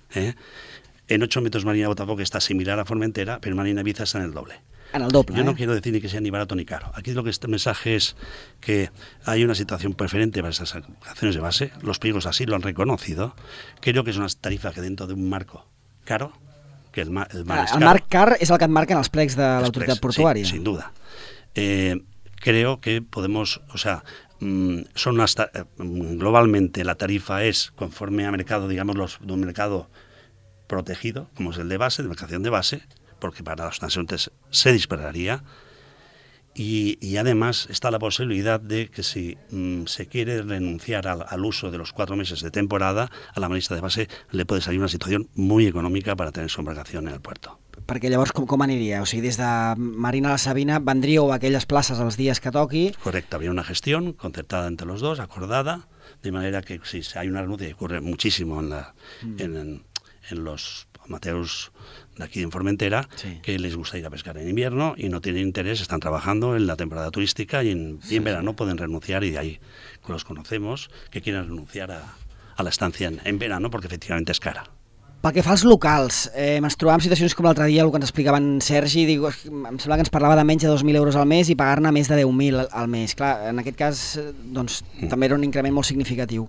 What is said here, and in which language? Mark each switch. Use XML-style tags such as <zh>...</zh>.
<es>¿Eh? En 8 metros Marina Botafoc está similar a Formentera, pero Marina Ibiza está en el doble. En el doble, yo no ¿eh? Quiero decir ni que sea ni barato ni caro. Aquí lo que este mensaje es que hay una situación preferente para esas acciones de base. Los pliegos así lo han reconocido. Creo que es una tarifa que dentro de un marco caro, que el mar es caro.</es> <ca>El marc car és el que et marquen els plecs de l'autoritat portuària.</ca> <es>Sí, sin duda. Creo que podemos, o sea, son hasta, globalmente la tarifa es conforme a mercado, digamos, de un mercado protegido, como es el de base, de embarcación de base, porque para los transeúntes se dispararía, y además está la posibilidad de que si se quiere renunciar al uso de los 4 meses de temporada, a la marista de base le puede salir una situación muy económica para tener su embarcación en el puerto.</es> <ca>Perquè llavors com aniria? O sigui, des de Marina La Sabina vendríeu aquelles places els dies que toqui? Correcte, havia una gestió concertada</ca> <es>entre los dos, acordada, de manera que si hay una renuncia, ocurre muchísimo en los amateurs de aquí en Formentera, sí, que les gusta ir a pescar en invierno y no tienen interés, están trabajando en la temporada turística y en verano pueden renunciar, y de ahí los conocemos, que quieren renunciar a la estancia en verano porque efectivamente es cara.</es> <ca>Pel que fa als locals, ens trobàvem situacions com l'altre dia, el que ens explicava en Sergi, digo, em sembla que ens parlava de menys de 2.000 euros al mes i pagar-ne més de 10.000 al mes. Clar, en aquest cas, doncs, també era un increment molt significatiu.</ca>